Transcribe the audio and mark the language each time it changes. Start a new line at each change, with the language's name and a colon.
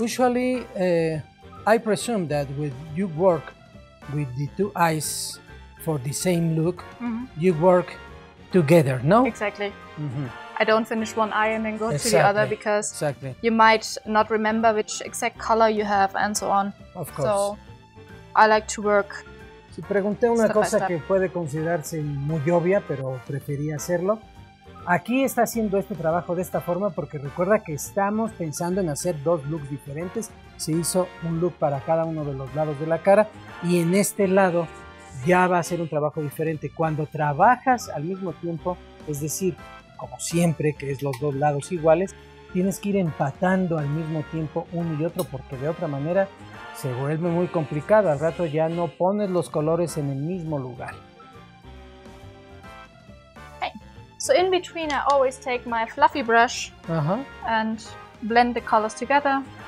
English: Usually, I presume that with you work with the two eyes for the same look, you work together, no? Exactly. I don't finish one eye and then go to the other because you might not remember which exact color you have and so on. Of course. So I like to work.
Spanish: Si pregunté una cosa que puede considerarse muy obvia, pero preferí hacerlo. Aquí está haciendo este trabajo de esta forma porque recuerda que estamos pensando en hacer dos looks diferentes. Se hizo un look para cada uno de los lados de la cara y en este lado ya va a ser un trabajo diferente. Cuando trabajas al mismo tiempo, es decir, como siempre, que es los dos lados iguales, tienes que ir empatando al mismo tiempo uno y otro porque de otra manera se vuelve muy complicado. Al rato ya no pones los colores en el mismo lugar.
English: So in between, I always take my fluffy brush and blend the colors together.